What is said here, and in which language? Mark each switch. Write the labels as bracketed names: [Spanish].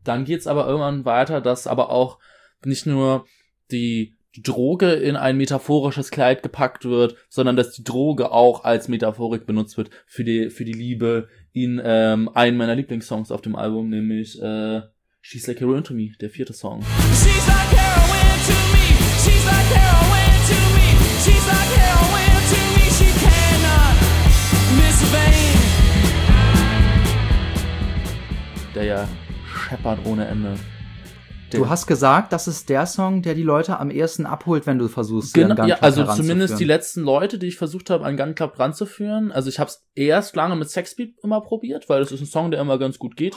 [German] Dann geht's aber irgendwann weiter, dass aber auch nicht nur die Droge in ein metaphorisches Kleid gepackt wird, sondern dass die Droge auch als Metaphorik benutzt wird für die Liebe in einen meiner Lieblingssongs auf dem Album, nämlich She's Like Heroin to Me, der vierte Song. [English] She's like heroin to me, she's like heroin to me, she's like heroin to me, she cannot miss a vein. [German] Der ja scheppert ohne Ende. Du hast gesagt, das ist der Song, der die Leute am ehesten abholt, wenn du versuchst, Gun Club ranzuführen. Also zumindest die letzten Leute, die ich versucht habe, an Gun Club ranzuführen. Also ich habe es erst lange mit Sexbeat immer probiert, weil das ist ein Song, der immer ganz gut geht.